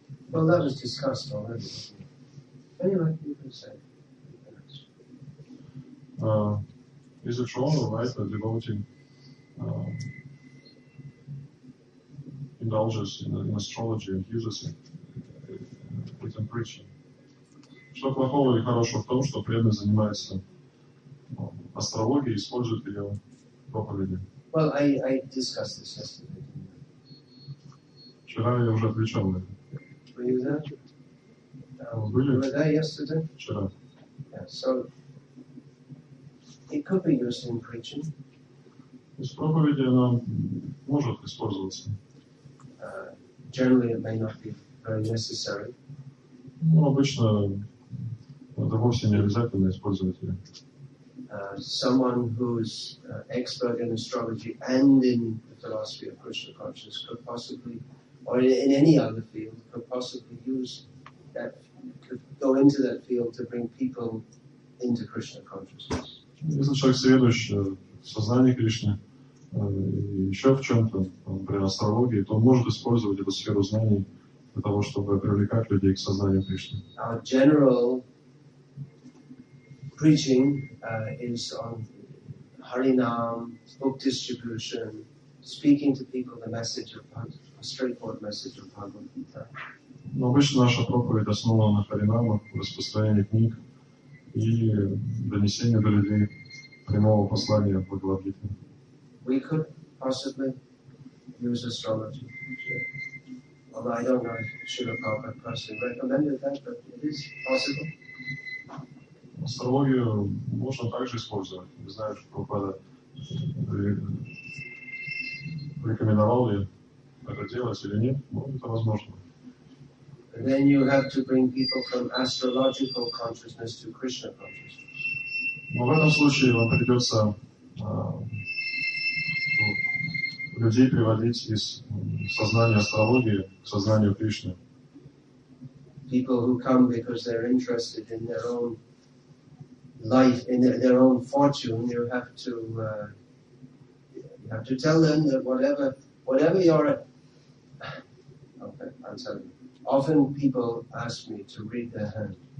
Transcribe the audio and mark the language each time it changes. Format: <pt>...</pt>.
<en>Well, that was discussed already. Anyway, you can say. You can ask. is a form of life that devotee indulges in astrology and uses it within preaching.</en> <ru>Что плохого или хорошего в том, что преданный занимается астрологией, использует ее в проповеди?</ru> <en>Well, I discussed this yesterday.</en> <ru>Вчера я уже отвечал на это.</ru> <en>Were you there?</en> <ru>Были?</ru> <en>Were there yesterday?</en> <ru>Вчера.</ru> <en>Yeah, so it could be used in preaching.</en> <ru>Из проповеди она может использоваться.</ru> <en>Generally, it may not be very necessary.</en> <ru>Ну, обычно это вовсе не обязательно использовать ее.</ru> <en>Someone who is expert in astrology and in the philosophy of Krishna consciousness could possibly, or in any other field, could possibly use that, could go into that field to bring people into Krishna consciousness.</en> <ru>Если человек сведущ в сознании Кришны, еще в чем-то, при астрологии, то он может использовать эту сферу знаний для того, чтобы привлекать людей к сознанию Кришны.</ru> <en>Our general preaching is on Harinam, book distribution, speaking to people the message of a straightforward message of Bhagavad Gita.</en> <ru>Но обычно наша проповедь основана на Харинамах, распространении книг и донесении до людей прямого послания Бхагавад Гиты.</ru> <en>We could possibly use astrology. Although I don't know if Srila Prabhupada personally recommended that, but it is possible.</en> <ru>Астрологию можно также использовать. Не знаю, что Прабхупада рекомендовал ли это делать или нет, но это возможно.</ru> <en>And then you have to bring people from astrological consciousness to Krishna consciousness.</en> <ru>Но в этом случае вам придется людей приводить из сознания астрологии к сознанию Кришны.</ru> <en>People who come because they're interested in their own life, in their own fortune, you have to tell them that whatever you're at. Okay, I'm sorry. Often people ask me to read their hand.</en>